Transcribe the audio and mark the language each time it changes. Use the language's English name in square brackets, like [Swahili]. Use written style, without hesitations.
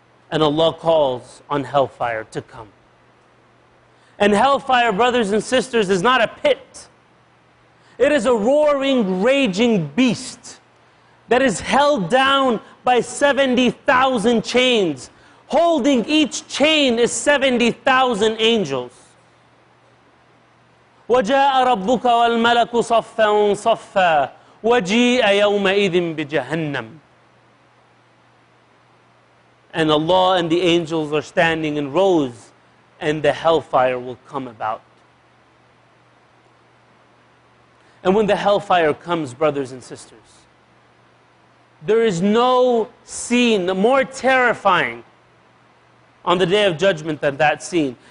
[English] And Allah calls on hellfire to come. And hellfire, brothers and sisters, is not a pit. It is a roaring, raging beast that is held down by 70,000 chains. Holding each chain is 70,000 angels. [Arabic] وجاء ربك والملك صفا صفا وجيء يومئذ بجهنم. [English] And Allah and the angels are standing in rows, and the hellfire will come about. And when the hellfire comes, brothers and sisters, there is no scene more terrifying on the Day of Judgment than that scene.